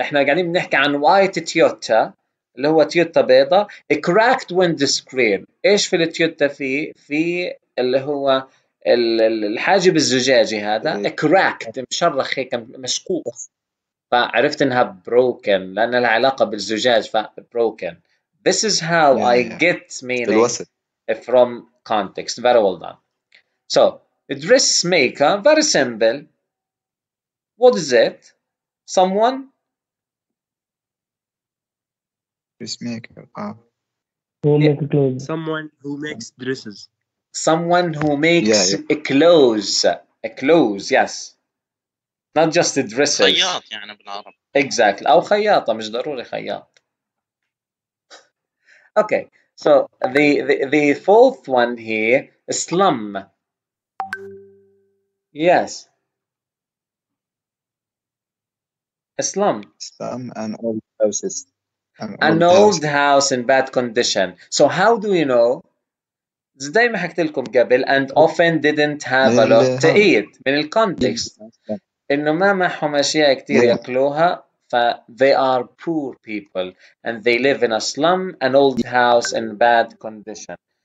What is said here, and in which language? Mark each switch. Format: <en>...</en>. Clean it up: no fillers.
<ar>إحنا قاعدين بنحكي عن</ar> <en>white Toyota</en> <ar>اللي هو تويوتا بيضة.</ar> <en>A cracked windscreen.</en> <ar>إيش في التويوتا فيه؟ في اللي هو الحاجب الزجاجي هذا.</ar> <en>A cracked</en> <ar>مشرخ هيك مشقوق. فعرفت إنها broken لأن لها علاقة بالزجاج فbroken.</ar> <en>This is how I get meaning from context. Very well done. So, dressmaker, very simple. What is it? Someone? Dressmaker. Who makes clothes? Someone who makes dresses. Someone who makes clothes. A clothes, yes. Not just the dresses.</en> <ar>خياط يعني بالعرب.</ar> <en>Exactly.</en> <ar>أو خياطة، مش ضروري خياط.</ar> <en>Okay, so the fourth one here, slum. Yes. Slum. Slum, an old house. An old house in bad condition. So how do you know?</en> <ar>زي ما حكيت لكم قبل,</ar> <en>and often didn't have a lot to eat.</en> <ar>من الكونتكست. إنه ما معهم أشياء كتير يأكلوها.</ar> <en>They are poor people and they live in a slum, an old house in bad condition.</en>